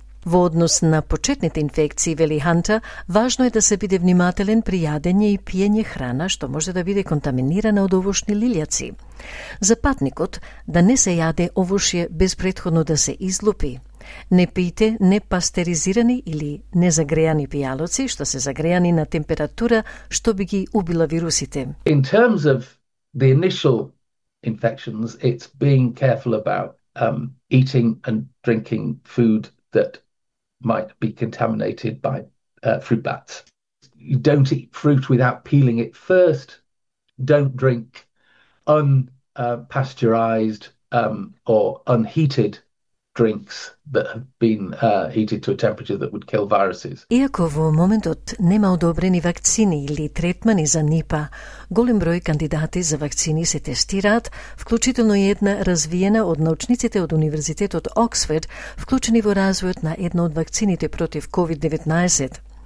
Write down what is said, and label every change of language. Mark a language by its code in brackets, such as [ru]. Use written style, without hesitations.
[mk] Во однос на почетните инфекции, вели Ханта, важно е да се биде внимателен при јадење и пиење храна што може да биде контаминирана од овошни лилјаци. За патникот, да не се јаде овошје без претходно да се излупи. Не пијте непастеризирани или незагреани пијалоци што се загреани на температура што би ги убила вирусите. [en] In terms of the initial infections, it's being careful about eating and drinking food that might be contaminated by fruit bats. You don't eat fruit without peeling it first. Don't drink unpasteurized or unheated drinks that have been heated to a temperature that would kill viruses. [mk] Иако во моментот нема одобрени вакцини или третмани за НИПА, голем број кандидати за вакцини се тестираат, вклучително и една развиена од научниците од Универзитетот Оксфорд, вклучени во развојот на една од вакцините против COVID-19.